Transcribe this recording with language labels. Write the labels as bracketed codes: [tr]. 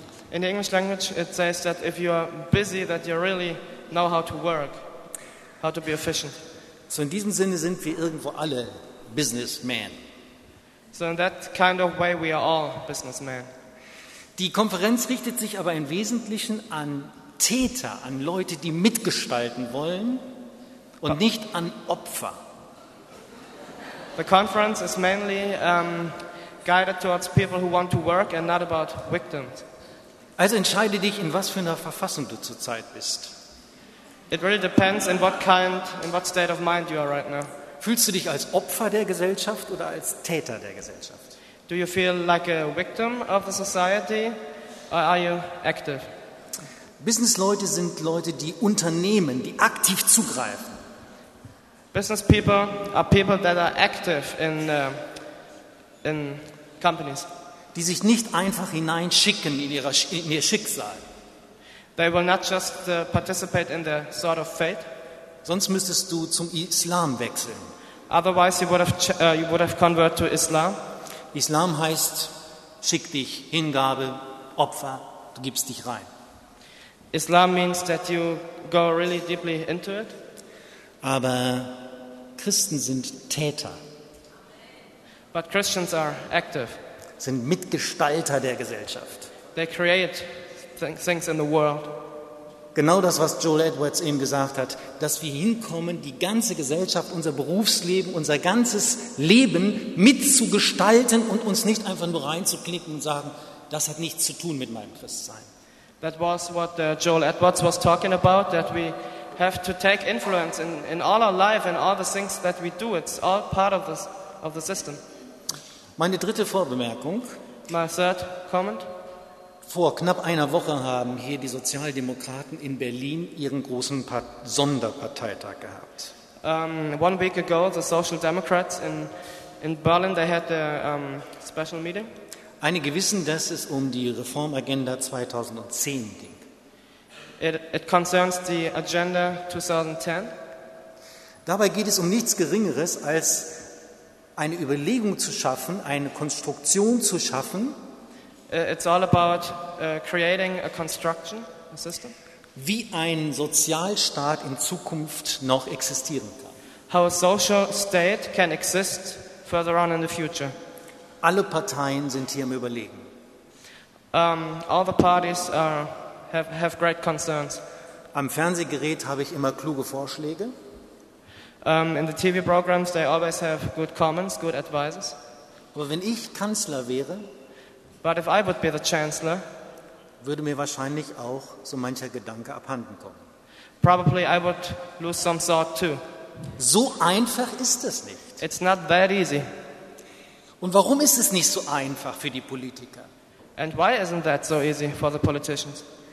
[en] In the English language it says that if you are busy, that you really know how to work. How to be efficient. [de] So in diesem Sinne sind wir irgendwo alle Businessmen. [en] So in that kind of way we are all businessmen. [de] Die Konferenz richtet sich aber im Wesentlichen an Täter, an Leute, die mitgestalten wollen und nicht an Opfer. [en] The conference is mainly guided towards people who want to work and not about victims. [de] Also entscheide dich, in was für einer Verfassung du zurzeit bist. [en] It really depends in what kind, in what state of mind you are right now. [de] Fühlst du dich als Opfer der Gesellschaft oder als Täter der Gesellschaft? [en] Do you feel like a victim of the society or are you active? [de] Businessleute sind Leute, die Unternehmen, die aktiv zugreifen. [en] Business people are people that are active in companies. [de] Die sich nicht einfach hineinschicken in ihr Schicksal. [en] They will not just participate in their sort of fate. [de] Sonst müsstest du zum Islam wechseln. [en] Otherwise you would have converted to Islam. [de] Islam heißt, schick dich, Hingabe, Opfer, du gibst dich rein. [en] Islam means that you go really deeply into it. [de] Aber Christen sind Täter. [en] But Christians are active. [de] Sind Mitgestalter der Gesellschaft. [en] They create things in the world. [de] Genau das, was Joel Edwards eben gesagt hat, dass wir hinkommen, die ganze Gesellschaft, unser Berufsleben, unser ganzes Leben mitzugestalten und uns nicht einfach nur reinzuklicken und sagen, das hat nichts zu tun mit meinem Christsein. [en] That was what Joel Edwards was talking about, that we have to take influence in all our life and all the things that we do. It's all part of the system. [de] Meine dritte Vorbemerkung. [en] My third comment. [de] Vor knapp einer Woche haben hier die Sozialdemokraten in Berlin ihren großen Sonderparteitag gehabt. [en] One week ago, the Social Democrats in Berlin, they had their special meeting. [de] Einige wissen, dass es um die Reformagenda 2010 ging. [en] It concerns the Agenda 2010. [de] Dabei geht es um nichts Geringeres, als eine Überlegung zu schaffen, eine Konstruktion zu schaffen, [en] it's all about creating a construction, a system. [de] Wie ein Sozialstaat in Zukunft noch existieren kann. [en] How a social state can exist further on in the future. [de] Alle Parteien sind hier im Überlegen. [en] All the parties have great concerns. [de] Am Fernsehgerät habe ich immer kluge Vorschläge. [en] In the TV programs they always have good comments, good advices. [de] Aber wenn ich Kanzler wäre, [en] but if I would be the Chancellor, [de] würde mir wahrscheinlich auch so mancher Gedanke abhanden kommen. [en] Probably I would lose some thought too. [de] So einfach ist es nicht. [en] It's not that easy. [de] Und warum ist es nicht so einfach für die Politiker? [en] And why isn't that so easy for the politicians?